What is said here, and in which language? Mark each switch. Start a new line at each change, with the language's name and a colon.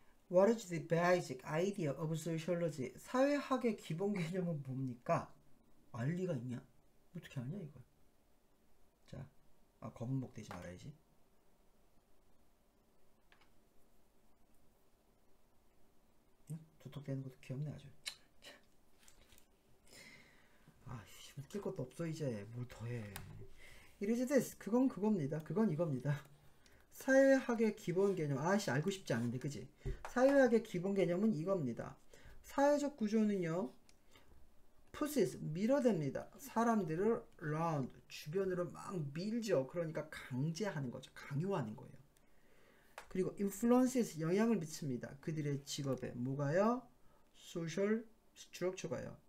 English: What is the basic idea of sociology?
Korean: 사회학의 기본 개념은 뭡니까? 알 리가 있냐? 어떻게 아냐 이걸? 자, 아, 거북목 되지 말아야지. 두턱대는 것도 귀엽네 아주. 아, 씨, 웃길 것도 없어 이제. 뭘더 해.
English: It is this.
Korean: 그건 그겁니다. 그건 이겁니다. 사회학의 기본 개념. 아씨, 알고 싶지 않은데, 그지? 사회학의 기본 개념은 이겁니다. 사회적 구조는요,
English: pushes,
Korean: 밀어댑니다. 사람들을
English: round,
Korean: 주변으로 막 밀죠. 그러니까 강제하는 거죠. 강요하는 거예요. 그리고
English: influences,
Korean: 영향을 미칩니다. 그들의 직업에. 뭐가요?
English: social structure
Korean: 가요.